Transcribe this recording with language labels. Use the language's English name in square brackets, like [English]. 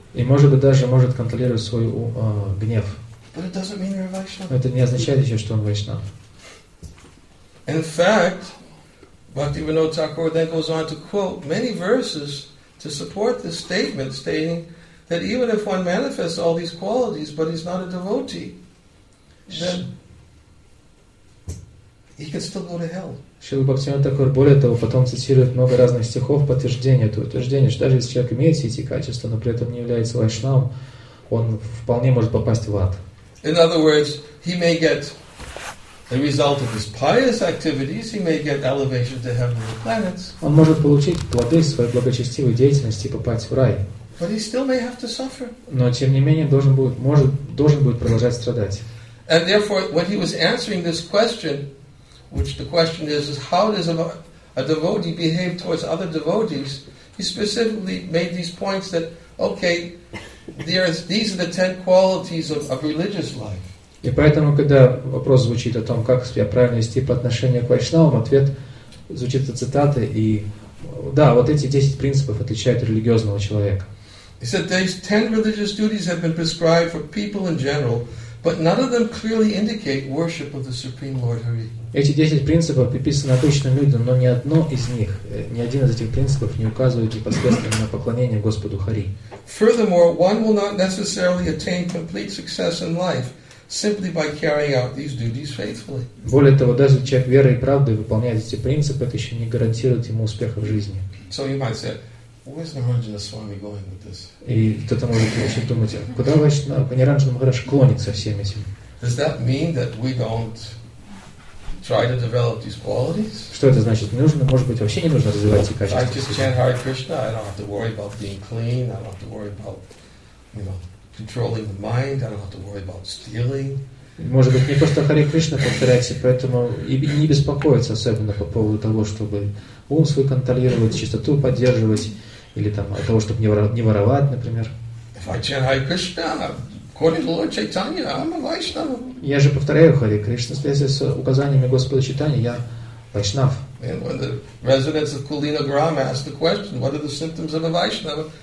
[Russian] И может быть даже может контролировать свой гнев. [English] But it doesn't mean you're a Vaishnava. [Russian] Но это не означает еще, что он Вайшнав. [English] In fact, Bhaktivinoda Thakur then goes on to quote many verses to support this statement, stating that even if one manifests all these qualities, but he's not a devotee, then he can still go to hell. [Russian] Шрила Бхактивинода Тхакур более того потом цитирует много разных стихов подтверждения этого утверждения, что даже если человек имеет все эти качества, но при этом не является Вайшнавом, он вполне может попасть в ад. [English] In other words, he may get the result of his pious activities, he may get elevation to heavenly planets. [Russian] Он может получить плоды своей благочестивой деятельности и попасть в рай. [English] But he still may have to suffer. [Russian] Но тем не менее должен будет продолжать страдать. [English] And therefore, when he was answering this question, which the question is how does a devotee behave towards other devotees, he specifically made these points that, okay, these are the 10 qualities of religious life. [Russian] И поэтому, когда вопрос звучит о том, как себя правильно вести по отношению к вайшнавам, ответ звучит от цитаты, и да, вот эти 10 принципов отличают религиозного человека. [English] He said these 10 religious duties have been prescribed for people in general, but none of them clearly indicate worship of the Supreme Lord Hari. [Russian] Эти 10 принципов приписаны обычным людям, но ни одно из них, ни один из этих принципов не указывает непосредственно на поклонение Господу Хари. [English] Furthermore, one will not necessarily attain complete success in life simply by carrying out these duties faithfully. [Russian] Более того, даже человек верой и правдой выполняет эти принципы, это еще не гарантирует ему успеха в жизни. [English] So you might say, where's Narayana Swami going with this? [Russian] И кто-то может еще думать, куда вообще Нарайана Махараджа клонит со всем этим? [English] Does that mean that we don't try to develop these qualities? [Russian] Что это значит? Нужно, может быть, вообще не нужно развивать эти качества? [English] I just chant Hare Krishna. I don't have to worry about being clean. I don't have to worry about, controlling the mind. I don't have to worry about stealing. [Russian] Может быть, не просто Харе Кришна повторяйте, поэтому и не беспокоиться особенно по поводу того, чтобы ум свой контролировать, чистоту поддерживать, или там от того, чтобы не воровать, например. [English] If I chant Hare Krishna, according to Lord Chaitanya, I'm a Vaishnava. [Russian] Я же повторяю Харе Кришна, в связи с указаниями Господа Чайтаньи, я Вайшнав. [English] And when the residents of Kulina Gram asked the question, what are the symptoms of a Vaishnava?